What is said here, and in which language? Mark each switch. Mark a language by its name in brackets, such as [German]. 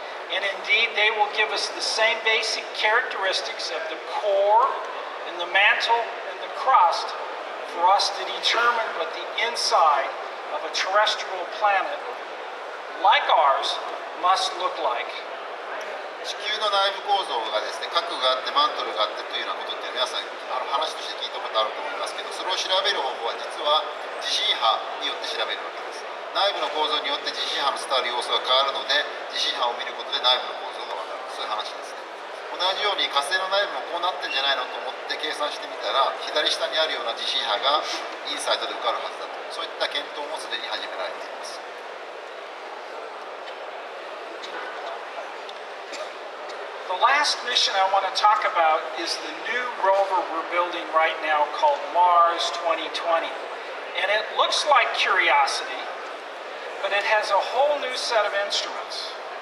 [English] And indeed, they will give us the same basic characteristics of the core and the mantle and the crust for us to determine what the inside of a terrestrial planet like ours must look like. [Japanese] 地球の内部構造がですね、核があってマントルがあってというようなことって皆さん話として聞いたことあると思いますけど、それを調べる方法は実は地震波によって調べるわけです。内部の構造によって地震波の伝わる様子が変わるので、地震波を見ることで内部の構造が分かる、そういう話ですね。同じように火星の内部もこうなってんじゃないのと思って計算してみたら、左下にあるような地震波がインサイトで受かるはずだと、そういった検討もすでに始められています。 [English] The last mission I want to talk about is the new rover we're building right now called Mars 2020. And it looks like Curiosity, but it has a whole new set of instruments.